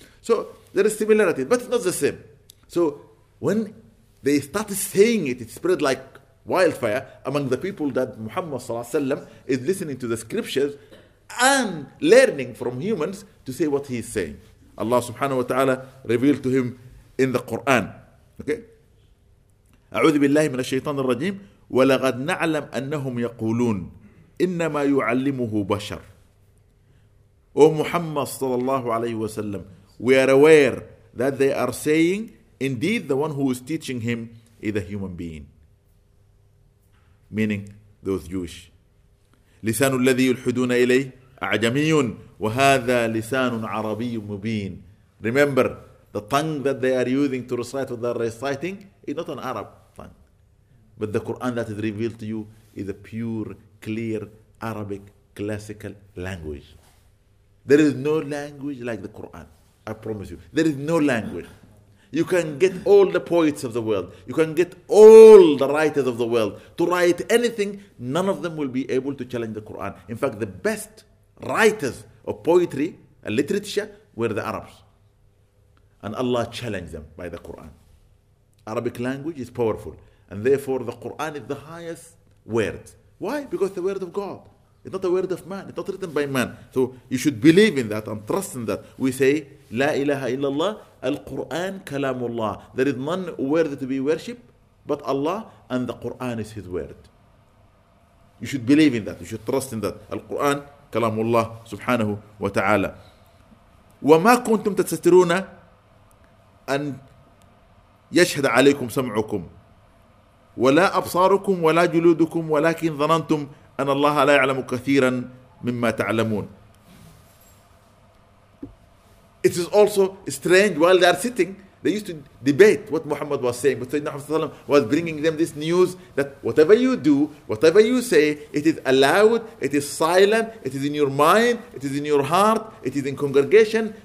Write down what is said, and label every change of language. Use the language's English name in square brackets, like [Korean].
[English] So there is similarity, but it's not the same. So when they started saying it, it spread like wildfire among the people that Muhammad sallallahu alayhi wa sallam is listening to the scriptures and learning from humans to say what he is saying. Allah subhanahu wa ta'ala revealed to him in the Quran. Okay? [Arabic] أعوذ بالله من الشيطان الرجيم ولقد نعلم أنهم يقولون إنما يعلمه بشر. [English] O Muhammad sallallahu alayhi wa sallam, we are aware that they are saying, indeed the one who is teaching him is a human being. Meaning those Jewish. [Arabic] لسان الذي يلحدون إليه أعجمي وهذا لسان عربي مبين. [English] Remember, the tongue that they are using to recite what they are reciting is not an Arab tongue. But the Quran that is revealed to you is a pure, clear Arabic classical language. There is no language like the Quran. I promise you. There is no language. You can get all the poets of the world. You can get all the writers of the world to write anything. None of them will be able to challenge the Quran. In fact, the best writers of poetry and literature were the Arabs. And Allah challenged them by the Quran. Arabic language is powerful. And therefore, the Quran is the highest word. Why? Because the word of God. It's not a word of man. It's not written by man. So you should believe in that and trust in that. We say, [Arabic] لا إله إلا الله القرآن كلام الله. [English] There is none worthy to be worshipped but Allah, and the Quran is His word. You should believe in that. You should trust in that. [Arabic] القرآن كلام الله سبحانه وتعالى. وما كنتم تستترون أن يشهد عليكم سمعكم ولا أبصاركم ولا جلودكم ولكن ظننتم أن الله لا يعلم كثيرا مما تعلمون. [English] It is also strange while they are sitting, they used to debate what Muhammad was saying. But Sayyidina Muhammad sallallahu alayhi wa sallam was bringing them this news that whatever you do, whatever you say, it is allowed, it is silent, it is in your mind, it is in your heart, it is in congregation.